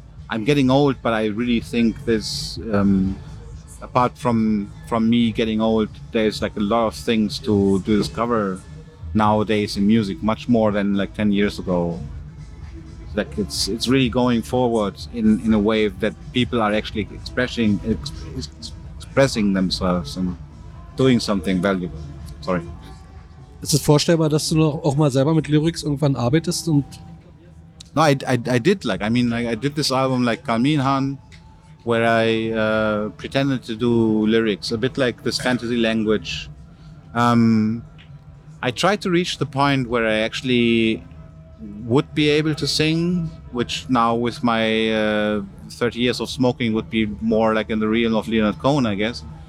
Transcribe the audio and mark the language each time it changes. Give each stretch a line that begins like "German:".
English: I'm getting old, but I really think there's, apart from me getting old, there's like a lot of things to discover nowadays in music, much more than like 10 years ago. Like it's really going forward in a way that people are actually expressing themselves and doing something valuable. Sorry.
German: Ist es vorstellbar, dass du noch auch mal selber mit Lyrics irgendwann arbeitest und
English: No, I did, like, I mean, like, I did this album, like, Kalminhan, where I pretended to do lyrics, a bit like this fantasy language. I tried to reach the point where I actually would be able to sing, which now with my 30 years of smoking would be more like in the realm of Leonard Cohen, I guess.